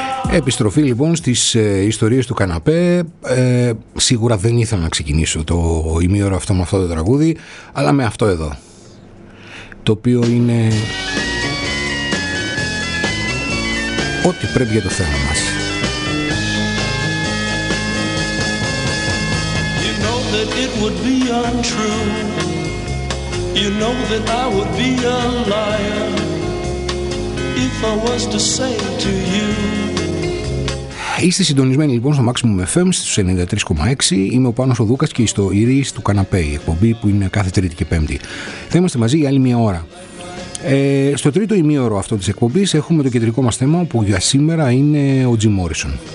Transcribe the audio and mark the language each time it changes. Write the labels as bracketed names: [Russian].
[Greek] Επιστροφή λοιπόν στις ιστορίες του καναπέ. Σίγουρα δεν ήθελα να ξεκινήσω το ημίωρο αυτό με αυτό το τραγούδι, αλλά με αυτό εδώ, το οποίο είναι ό,τι πρέπει για το θέμα μας. [English] You know that it would be untrue. You know that I would be a liar if I was to say to you. [Greek] Είστε συντονισμένοι λοιπόν στο Maximum FM στους 93,6. Είμαι ο Πάνος ο Δούκας και ιστορίες του καναπέ, η εκπομπή που είναι κάθε Τρίτη και Πέμπτη. Θα είμαστε μαζί για άλλη μία ώρα. Στο τρίτο ημίωρο αυτό της εκπομπής έχουμε το κεντρικό μας θέμα, που για σήμερα είναι ο Jim Morrison.